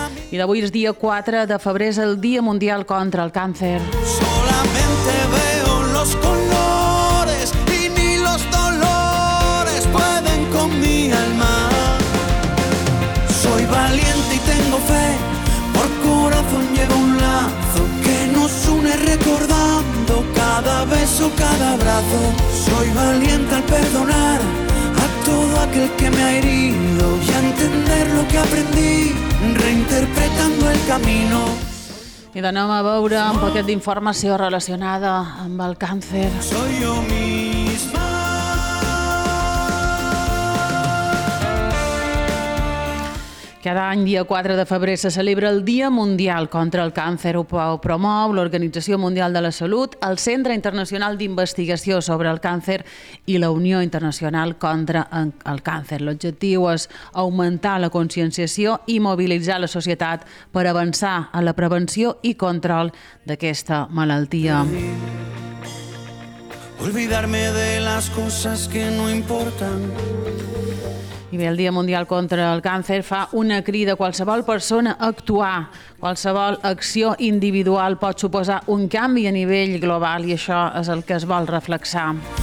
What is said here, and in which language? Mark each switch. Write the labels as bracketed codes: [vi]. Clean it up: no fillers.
[ca] I d'avui és dia 4 de febrer, és el Dia Mundial contra el Càncer. [es] Solamente veo los colores y ni los dolores pueden con mi alma. Soy valiente y tengo fe, por corazón llevo un lazo que nos une recordando cada beso, cada abrazo. Soy valiente al perdonar a todo aquel que me ha herido y a entender lo que aprendí reinterpretando el camino. [ca] I d'anem a veure un paquet d'informació relacionada amb el càncer. [es] Soy yo misma. [ca] Cada any, dia 4 de febrer, se celebra el Dia Mundial contra el Càncer. Ho promou l'Organització Mundial de la Salut, el Centre Internacional d'Investigació sobre el Càncer i la Unió Internacional contra el Càncer. L'objectiu és augmentar la conscienciació i mobilitzar la societat per avançar en la prevenció i control d'aquesta malaltia. [es] Olvidarme de las cosas que no importan. [ca] I bé, el Dia Mundial contra el Càncer fa una crida a qualsevol persona a actuar. Qualsevol acció individual pot suposar un canvi a nivell global i això és el que es vol reflexar.